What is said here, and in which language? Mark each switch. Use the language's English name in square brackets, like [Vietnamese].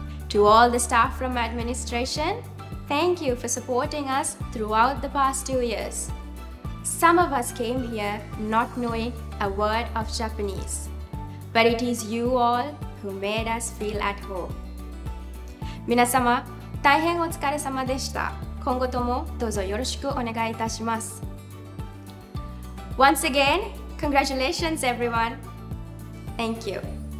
[English] To all the staff from administration, thank you for supporting us throughout the past 2 years. Some of us came here not knowing a word of Japanese, but it is you all who made us feel at home. [Japanese] 皆様、大変お疲れ様でした。今後ともどうぞよろしくお願いいたします。 [English] Once again, congratulations everyone. Thank you.